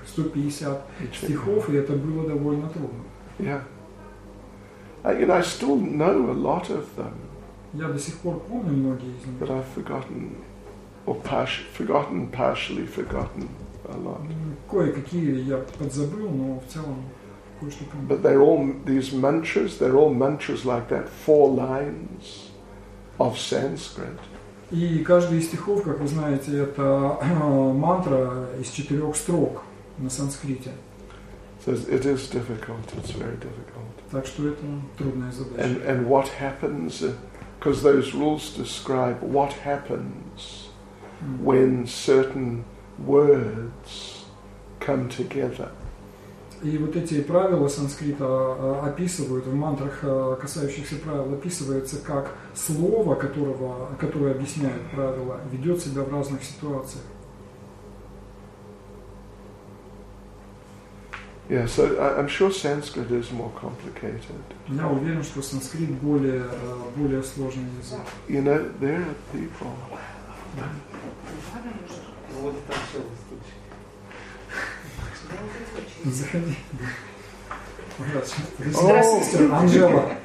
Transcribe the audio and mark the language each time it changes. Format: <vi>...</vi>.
<ru>150 стихов, и это было довольно трудно.</ru> <en>Yeah. I still know a lot of them.</en> <ru>Я до сих пор помню многие из них.</ru> <en>But I've forgotten. Or partially forgotten a lot.</en> <ru>Кое-какие я подзабыл, но в целом кое-что помню.</ru> <en>But they're all these mantras, they're all mantras like that, 4 lines of Sanskrit.</en> <ru>И каждый из стихов, как вы знаете, это мантра из 4 строк на санскрите.</ru> <en>So it is difficult, it's very difficult.</en> <ru>Так что это трудная задача.</ru> <en>And what happens, because those rules describe what happens when certain words come together.</en> <ru>И вот эти правила санскрита описывают в мантрах, касающихся правил, описывается как слово, которое объясняет правила, ведет себя в разных ситуациях.</ru> <en>Yeah, so I'm sure Sanskrit is more complicated.</en> <ru>Я уверен, что санскрит более сложный язык.</ru> <en>You know, there are people.</en> <ru>Заходи. Здравствуйте, Анжела.</ru>